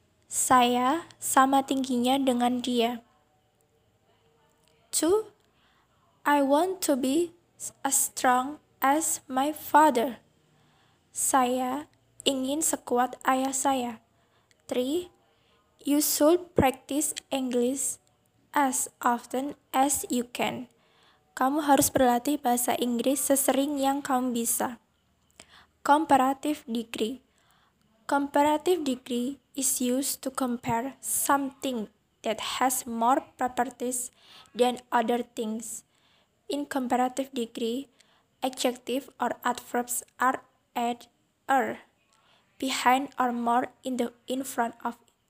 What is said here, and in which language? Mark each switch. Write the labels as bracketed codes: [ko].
[id] Saya sama tingginya dengan dia. 2. [en] I want to be as strong as my father. [id] Saya ingin sekuat ayah saya. [en] 3. You should practice English as often as you can. [id] Kamu harus berlatih bahasa Inggris sesering yang kamu bisa. [en] Comparative degree. Comparative degree is used to compare something that has more properties than other things. In comparative degree, adjective or adverbs are added behind or more in front of it.